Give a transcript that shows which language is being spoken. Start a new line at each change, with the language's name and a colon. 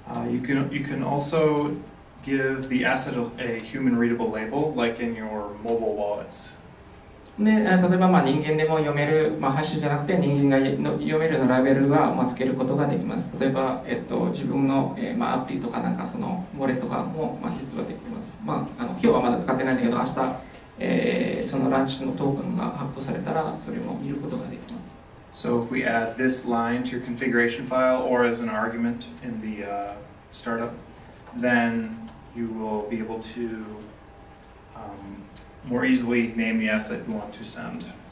English: You can also give the asset a human readable label, like in your mobile wallets.
Japanese: ね、例えばまあ人間でも読める、まあ、ハッシュじゃなくて人間が読めるのラベルはまあつけることができます。例えば、自分の、まあ、アプリとかなんかそのモレとかもまあ実はできます。まあ、あの今日はまだ使ってないんだけど明日、そのランチのトークンが発行されたらそれも見ることができます。
English: So if we add this line to your configuration file or as an argument in the、startup, then you will be able to、more easily name the asset you want to send.